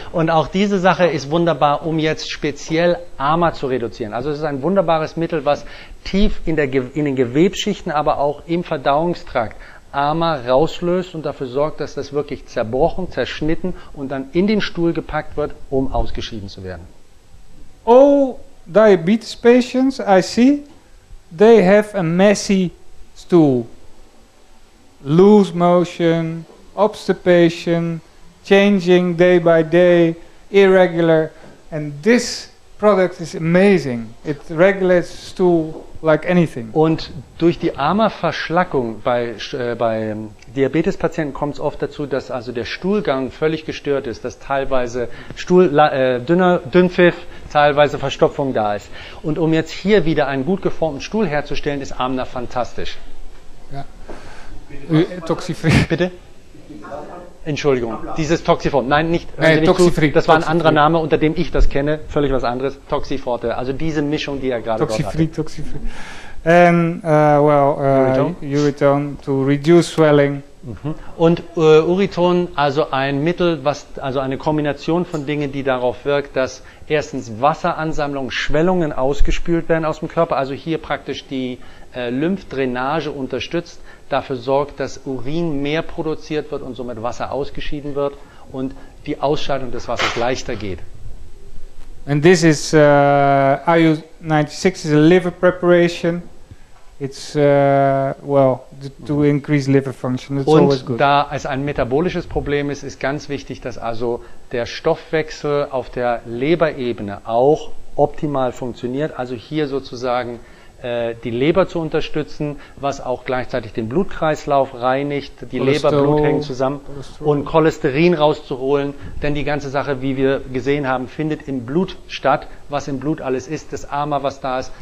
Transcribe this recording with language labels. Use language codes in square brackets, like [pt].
[de] Und auch diese Sache ist wunderbar, um jetzt speziell Ama zu reduzieren. Also es ist ein wunderbares Mittel, was tief in den Gewebsschichten, aber auch im Verdauungstrakt Ama rauslöst und dafür sorgt, dass das wirklich zerbrochen, zerschnitten und dann in den Stuhl gepackt wird, um ausgeschieden zu werden. [en] All diabetes patients I see, they have a messy stool. Loose motion. Obstipation, changing day by day, irregular, and this product is amazing. It regulates stool like anything. [de] Und durch die Ama-Verschlackung bei Diabetespatienten kommt es oft dazu, dass also der Stuhlgang völlig gestört ist, dass teilweise Stuhl Dünnpfiff, teilweise Verstopfung da ist. Und um jetzt hier wieder einen gut geformten Stuhl herzustellen, ist Amna fantastisch. Ja. Toxifree. Bitte? Entschuldigung, dieses Toxiforte. Nein, nicht. Nein, Toxifree. Das war ein anderer Name, unter dem ich das kenne. Völlig was anderes. Toxiforte. Also diese Mischung, die er gerade dort hatte. Toxifree. [en] And Uriton to reduce swelling. [de] Und Uriton, also ein Mittel, also eine Kombination von Dingen, die darauf wirkt, dass erstens Wasseransammlungen, Schwellungen ausgespült werden aus dem Körper. Also hier praktisch die Lymphdrainage unterstützt. Dafür sorgt, dass Urin mehr produziert wird und somit Wasser ausgeschieden wird und die Ausscheidung des Wassers leichter geht. [en] And this is IU96 is a liver preparation. It's to increase liver function. It's [de] und [en] always good. [de] Da es ein metabolisches Problem ist, ist ganz wichtig, dass also der Stoffwechsel auf der Leberebene auch optimal funktioniert. Also hier sozusagen die Leber zu unterstützen, was auch gleichzeitig den Blutkreislauf reinigt, die Leber, Blut hängen zusammen und Cholesterin rauszuholen, denn die ganze Sache, wie wir gesehen haben, findet im Blut statt, was im Blut alles ist, das Ama, was da ist.